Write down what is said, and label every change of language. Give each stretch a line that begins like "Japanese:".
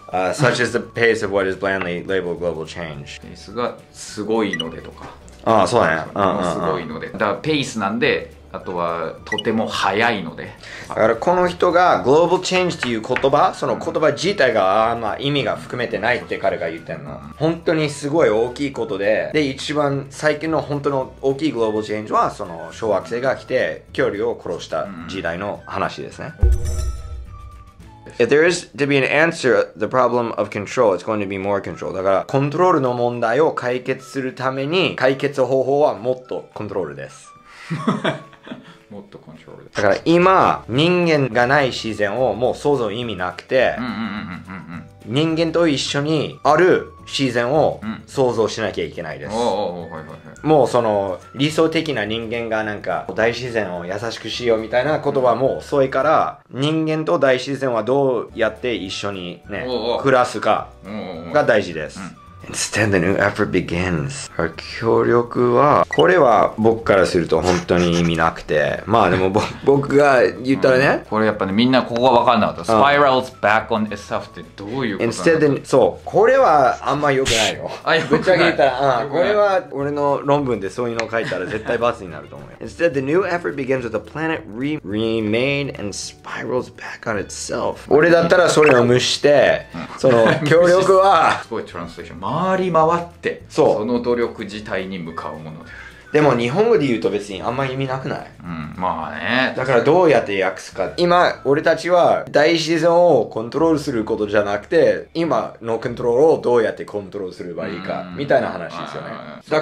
English: Such as the pace of what is blandly labeled global change.
Japanese: ペースがすごいのでとか。ああ、そうだね。すごいので。だからペースなんで、あとはとても早いので。だからこの人が global change っていう言葉、その言葉自体があんま意味が含めてないって彼が言ってんの。本当にすごい大きいことで、で、一番最近の本当の大きい global change は、その小惑星が来て恐竜を殺した時代の話ですね。
English: If there is to be an answer, the problem of control, it's going to be more control.
Japanese: だから、コントロールの問題を解決するために、解決方法はもっとコントロールです。もっとコントロールです。だから今、人間がない自然をもう想像意味なくて、人間と一緒にある自然を想像しなきゃいけないです。もうその理想的な人間がなんか大自然を優しくしようみたいな言葉も遅いから、人間と大自然はどうやって一緒にね、暮らすかが大事です。
English: Instead, the new effort begins.
Japanese: 協力は、これは僕からすると本当に意味なくて。まあでも僕が言ったらね、うん。これやっぱね、みんなここは分かんなかった。
English: Spirals back on itself
Japanese: ってどういうことなんだ Instead, そう。これはあんま良くないよ。あ、良くない。ぶっちゃけ言ったら、うん。これは俺の論文でそういうのを書いたら絶対罰になると思うよ。
English: Instead, the new effort begins with the planet remade and spirals back on itself.
Japanese: 俺だったらそれを無視して、その協力は。すごいトランスレーション。回り回ってその努力自体に向かうものである。でも日本語で言うと別にあんま意味なくない、うん、まあね。だからどうやって訳すか。今俺たちは大自然をコントロールすることじゃなくて、今のコントロールをどうやってコントロールすればいいかみたいな話ですよね。そうそうそうそう。